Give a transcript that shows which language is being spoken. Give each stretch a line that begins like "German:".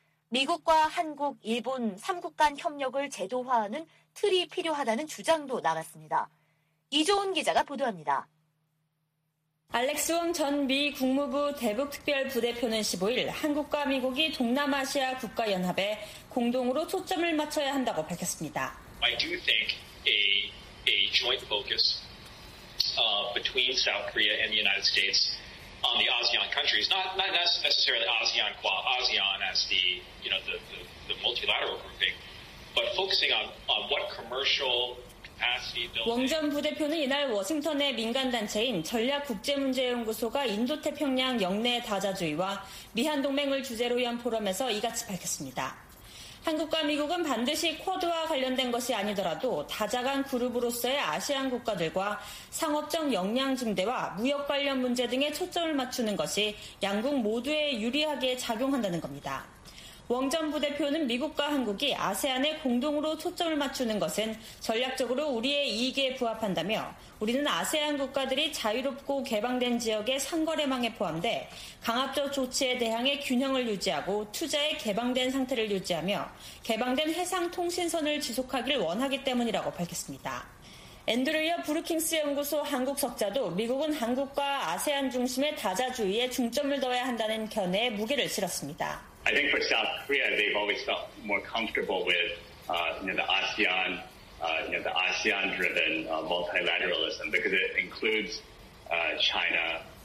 Korean: 미국과 한국, 일본 3국 간 협력을 제도화하는 틀이 필요하다는 주장도 나갔습니다. 이조은 기자가 보도합니다. 알렉스 웅 전 미 국무부 대북특별부대표는 15일 한국과 미국이 동남아시아 국가연합에 공동으로 초점을 맞춰야 한다고 밝혔습니다.
English: I do think a joint focus between South Korea and the United States on the ASEAN countries, not necessarily ASEAN qua ASEAN as the, you know, the multilateral grouping, but focusing on what commercial capacity building.
Korean: 웅 전 부대표는 이날 워싱턴의 민간단체인 전략국제문제연구소가 인도태평양 역내 다자주의와 미한동맹을 주제로 연 포럼에서 이같이 밝혔습니다. 한국과 미국은 반드시 쿼드와 관련된 것이 아니더라도 다자간 그룹으로서의 아시안 국가들과 상업적 역량 증대와 무역 관련 문제 등에 초점을 맞추는 것이 양국 모두에 유리하게 작용한다는 겁니다. 웅 전 부대표는 미국과 한국이 아세안에 공동으로 초점을 맞추는 것은 전략적으로 우리의 이익에 부합한다며 우리는 아세안 국가들이 자유롭고 개방된 지역의 상거래망에 포함돼 강압적 조치에 대항해 균형을 유지하고 투자에 개방된 상태를 유지하며 개방된 해상 통신선을 지속하기를 원하기 때문이라고 밝혔습니다. 앤드루이어 브루킹스 연구소 한국 석좌도 미국은 한국과 아세안 중심의 다자주의에 중점을 둬야 한다는 견해에 무게를 실었습니다.
English: I think for South Korea, they've always felt more comfortable with the ASEAN-driven multilateralism because it includes China.